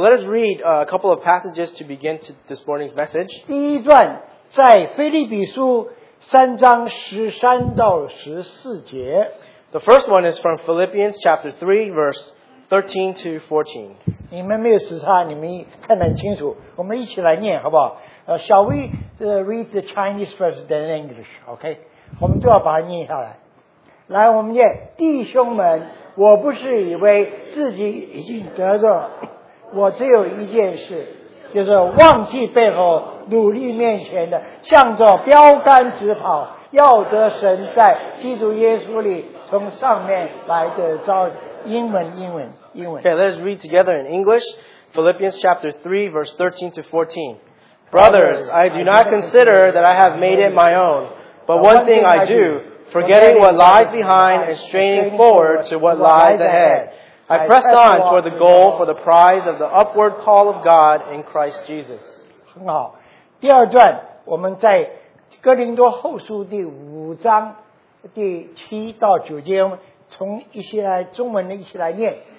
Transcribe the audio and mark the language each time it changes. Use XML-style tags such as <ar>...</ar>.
<en>let us read a couple of passages to begin this morning's message.</en> <zh>第一段在腓立比书3章13到14节。</zh> <en>The first one is from Philippians chapter 3, verse 13 to 14.</en> <zh>你们没有时差，你们看得很清楚。我们一起来念，好不好？</zh> <en>Shall we read the Chinese first, then English?</en> <zh>Okay, 我们都要把它念下来。来，我们念，弟兄们，我不是以为自己已经得着，我只有一件事，就是忘记背后，努力面前的，向着标杆直跑，要得神在基督耶稣里从上面来的召。英文，英文。</zh> <en>Okay, let us read together in English, Philippians chapter 3, verse 13 to 14. Brothers, I do not consider that I have made it my own, but one thing I do, forgetting what lies behind and straining forward to what lies ahead, I press on toward the goal for the prize of the upward call of God in Christ Jesus.</en> <zh>很好。第二段，我们在哥林多后书第5章第7到9节，从一起来中文的一起来念。</zh>